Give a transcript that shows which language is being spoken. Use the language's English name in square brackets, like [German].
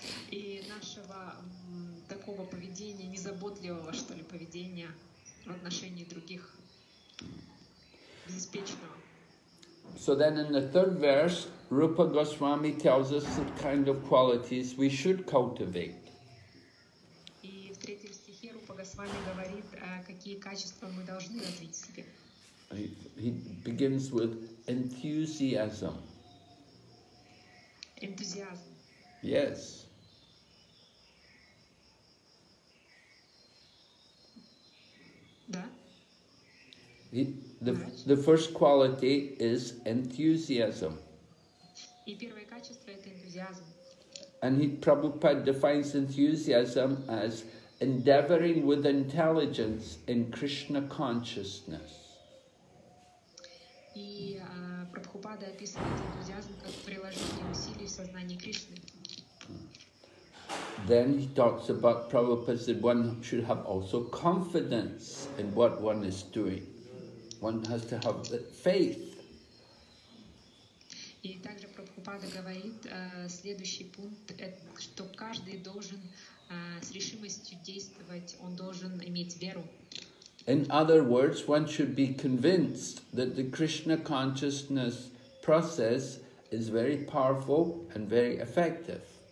[Russian] И нашего такого поведения, незаботливого, что ли, поведения в отношении других, беспечного. [English] So then in the third verse, Rupa Goswami tells us the kind of qualities we should cultivate. [Russian] И в третьем стихе Рупа Госвами говорит, какие качества мы должны развить в себе. [English] He begins with enthusiasm. Enthusiasm. Yes. The first quality is enthusiasm. [Russian] И первое качество – это энтузиазм. [English] And Prabhupada defines enthusiasm as endeavoring with intelligence in Krishna consciousness. [Russian] И Прабхупада описывает энтузиазм как приложение усилий в сознании Кришны. [English] Then he talks about Prabhupada said one should have also confidence in what one is doing. One has to have faith. [Russian] И также Прабхупада говорит, следующий пункт, что каждый должен с решимостью действовать, он должен иметь веру. [English] In other words, one should be convinced that the Krishna consciousness process is very powerful and very effective.